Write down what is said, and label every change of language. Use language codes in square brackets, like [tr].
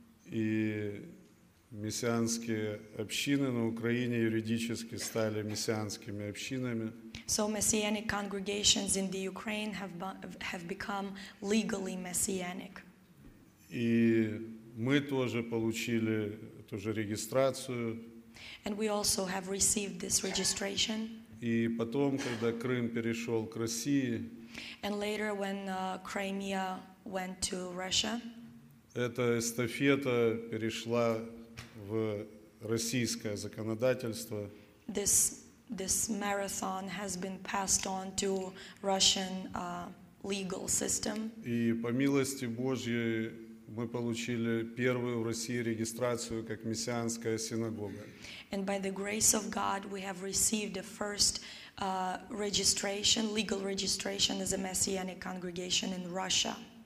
[ru] И мессианские общины на Украине юридически стали мессианскими общинами. [en] So messianic congregations in the Ukraine have become legally messianic. [ru] И мы тоже получили ту же регистрацию. [en] And we also have received this registration. [ru] И потом, когда Крым перешел к России, [en] and later when Crimea went to Russia, [ru] эта эстафета перешла в российское законодательство. [en] This marathon has been passed on to Russian legal system. [ru] И по милости Божьей мы получили первую в России регистрацию как мессианская синагога. [en] And by the grace of God, we have received the first registration, legal registration as a messianic congregation in Russia.